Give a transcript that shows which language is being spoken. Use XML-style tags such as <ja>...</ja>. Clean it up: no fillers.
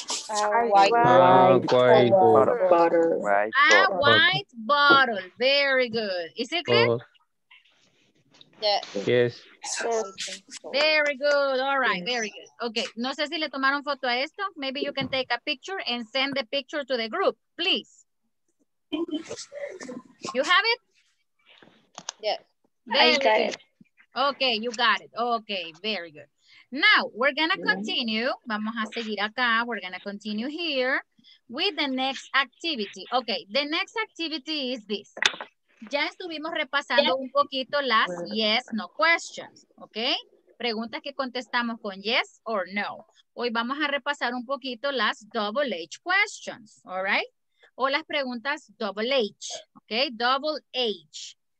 <en>A white bottle. Very good. Is it clear? Yes. Very good. All right. Very good. Okay.</en> <es>No sé si le tomaron foto a esto.</es> <en>Maybe you can take a picture and send the picture to the group, please. You have it? Yes. I got it. Okay. You got it. Okay. Very good. Now we're going to continue.</en> <es>Vamos a seguir acá.</es> <en>We're going to continue here with the next activity. Okay. The next activity is this.</en> <es>Ya estuvimos repasando un poquito las yes, no questions, ¿ok? Preguntas que contestamos con</es> <en>yes or no.</en> <es>Hoy vamos a repasar un poquito las double H questions,</es> <en>¿all right?</en> <es>O las preguntas double H, ¿ok? Double H.</es>